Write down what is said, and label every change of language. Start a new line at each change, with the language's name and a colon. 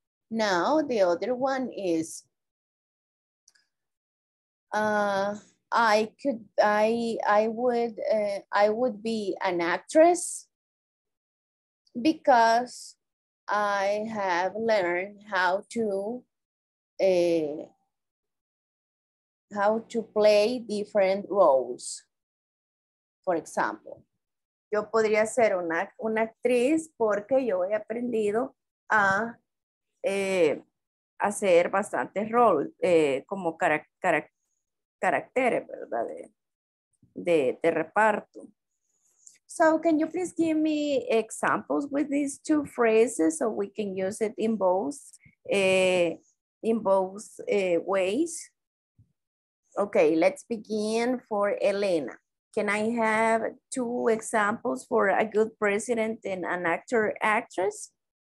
English: Now the other one is I would be an actress because I have learned how to play different roles, for example.
Spanish: Yo podría ser una actriz porque yo he aprendido a hacer bastantes roles como caracteres, ¿verdad? De reparto.
English: So can you please give me examples with these two phrases so we can use it in both ways? Okay, let's begin for Elena. Can I have two examples for a good president and an actor, actress?